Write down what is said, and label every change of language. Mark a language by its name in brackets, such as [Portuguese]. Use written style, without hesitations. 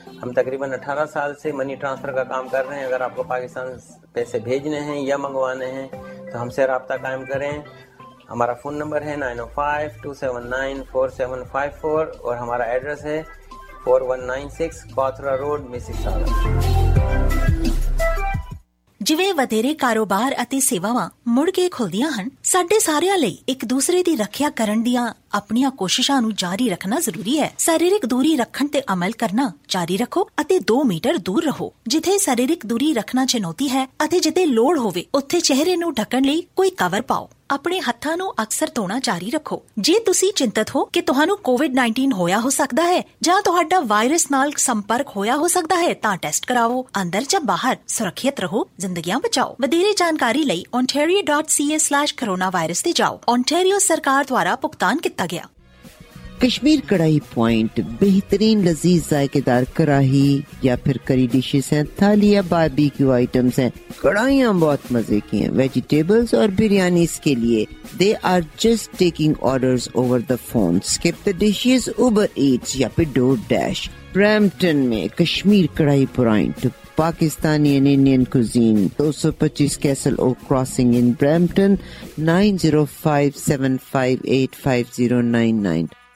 [Urdu] ہم تقریباً 18 سال سے منی ٹرانسفر کا کام کر رہے ہیں. اگر آپ کو پاکستان پیسے بھیجنے ہیں یا منگوانے ہیں تو ہم سے رابطہ قائم کریں. ہمارا فون نمبر ہے 905-279-4754 اور ہمارا ایڈریس ہے 4196 باترا روڈ مسز سالا. [Punjabi] ਜਿਵੇਂ ਵਧੇਰੇ ਕਾਰੋਬਾਰ ਅਤੇ ਸੇਵਾਵਾਂ ਮੁੜ ਕੇ ਖੁੱਲਦੀਆਂ ਹਨ, ਸਾਡੇ ਸਾਰਿਆਂ ਲਈ ਇੱਕ ਦੂਸਰੇ ਦੀ ਰੱਖਿਆ ਕਰਨ ਦੀਆਂ ਆਪਣੀਆਂ ਕੋਸ਼ਿਸ਼ਾਂ ਨੂੰ ਜਾਰੀ ਰੱਖਣਾ ਜ਼ਰੂਰੀ ਹੈ. ਸਰੀਰਕ ਦੂਰੀ ਰੱਖਣ ਤੇ ਅਮਲ ਕਰਨਾ ਜਾਰੀ ਰੱਖੋ ਅਤੇ 2 ਮੀਟਰ ਦੂਰ ਰਹੋ. ਜਿੱਥੇ ਸਰੀਰਕ ਦੂਰੀ ਰੱਖਣਾ ਚੁਣੌਤੀ ਹੈ ਅਤੇ ਜਿੱਥੇ ਲੋੜ ਹੋਵੇ ਉੱਥੇ ਚਿਹਰੇ ਨੂੰ ਢੱਕਣ ਲਈ ਕੋਈ ਕਵਰ ਪਾਓ. ਆਪਣੇ ਹੱਥਾਂ ਨੂੰ ਅਕਸਰ ਧੋਣਾ ਜਾਰੀ ਰੱਖੋ. ਜੇ ਤੁਸੀਂ ਚਿੰਤਤ ਹੋ ਕਿ ਤੁਹਾਨੂੰ ਕੋਵਿਡ-19 ਹੋਇਆ ਹੋ ਸਕਦਾ ਹੈ ਜਾਂ ਤੁਹਾਡਾ ਵਾਇਰਸ ਨਾਲ ਸੰਪਰਕ ਹੋਇਆ ਹੋ ਸਕਦਾ ਹੈ ਤਾਂ ਟੈਸਟ ਕਰਾਓ. ਅੰਦਰ ਜਾਂ ਬਾਹਰ ਸੁਰੱਖਿਅਤ ਰਹੋ, ਜ਼ਿੰਦਗੀਆਂ ਬਚਾਓ. ਵਧੇਰੇ ਜਾਣਕਾਰੀ ਲਈ ontario.ca/coronavirus ਤੇ ਜਾਓ. ਓਨਟੇਰੀਓ ਸਰਕਾਰ ਦੁਆਰਾ ਭੁਗਤਾਨ ਕੀਤਾ ਗਿਆ. [Urdu] کشمیر کڑائی پوائنٹ، بہترین لذیذ ذائقے دار کراہی یا پھر کری ڈشز ہیں، تھالی یا باربیکیو آئٹمز ہیں، کڑائیاں بہت مزے کی ہیں، ویجیٹیبلز اور بریانیز کے لیے [English] They are just taking orders over the phone. [Urdu] Skip the dishes, Uber eights یا پھر ڈور ڈیش. برامپٹن میں کشمیر کڑائی point, [English] Pakistani and Indian cuisine, [Urdu] 225 castle O crossing in Brampton, 9057585099.